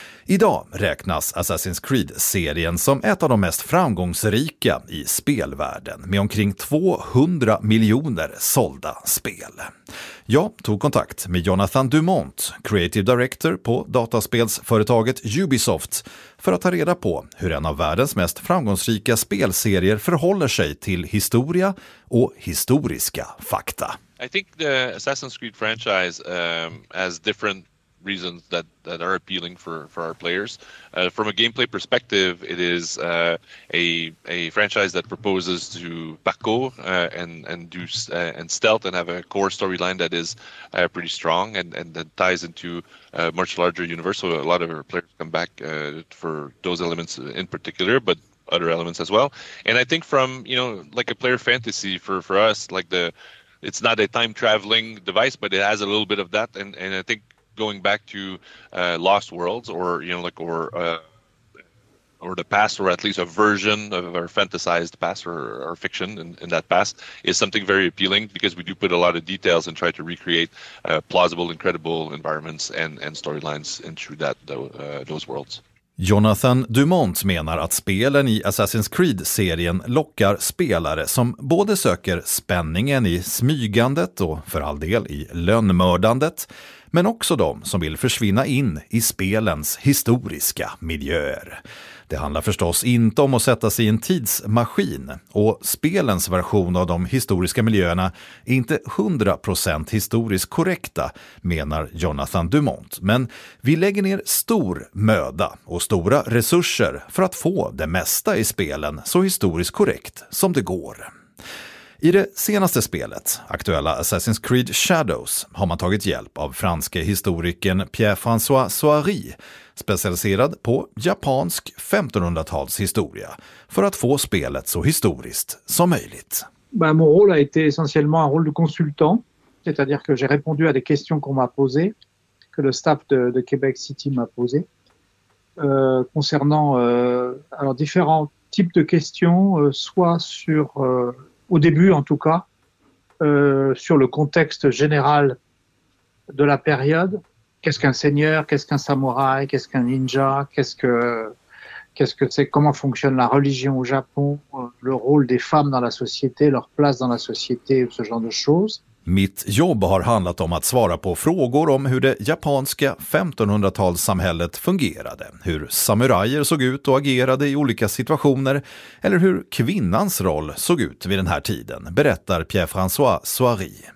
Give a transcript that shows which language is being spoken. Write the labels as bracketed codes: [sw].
[sv] Idag räknas Assassin's Creed-serien som ett av de mest framgångsrika i spelvärlden med omkring 200 miljoner sålda spel. Jag tog kontakt med Jonathan Dumont, creative director på dataspelsföretaget Ubisoft, för att ta reda på hur en av världens mest framgångsrika spelserier förhåller sig till historia och historiska fakta. [en] I think the Assassin's Creed franchise has different reasons that are appealing for our players. From a gameplay perspective, it is a franchise that proposes to parkour and stealth and have a core storyline that is pretty strong and that ties into a much larger universe. So a lot of our players come back for those elements in particular, but other elements as well. And I think from, you know, like a player fantasy for us, like it's not a time traveling device, but it has a little bit of that. And I think going back to Lost Worlds or the past, or at least a version of our fantasized past or fiction in that past, is something very appealing because we do put a lot of details and try to recreate plausible, incredible environments and storylines into those worlds. [sv] Jonathan Dumont menar att spelen i Assassin's Creed-serien lockar spelare som både söker spänningen i smygandet och för all del i lönnmördandet, men också de som vill försvinna in i spelens historiska miljöer. Det handlar förstås inte om att sätta sig i en tidsmaskin. Och spelens version av de historiska miljöerna är inte 100% historiskt korrekta, menar Jonathan Dumont. Men vi lägger ner stor möda och stora resurser för att få det mesta i spelen så historiskt korrekt som det går. I det senaste spelet, aktuella Assassin's Creed Shadows, har man tagit hjälp av franske historikern Pierre-François Soary, specialiserad på japansk 1500-talshistoria, för att få spelet så historiskt som möjligt. [fr] Ben, mon rôle a été essentiellement un rôle de consultant, c'est-à-dire que j'ai répondu à des questions qu'on m'a posées, que le staff de Québec City m'a posées, concernant alors différents types de questions, soit sur au début en tout cas, sur le contexte général de la période, qu'est-ce qu'un seigneur, qu'est-ce qu'un samouraï, qu'est-ce qu'un ninja, qu'est-ce que c'est, comment fonctionne la religion au Japon, le rôle des femmes dans la société, leur place dans la société, ce genre de choses. [sv] Mitt jobb har handlat om att svara på frågor om hur det japanska 1500-talssamhället fungerade, hur samurajer såg ut och agerade i olika situationer eller hur kvinnans roll såg ut vid den här tiden, berättar Pierre-François Soary.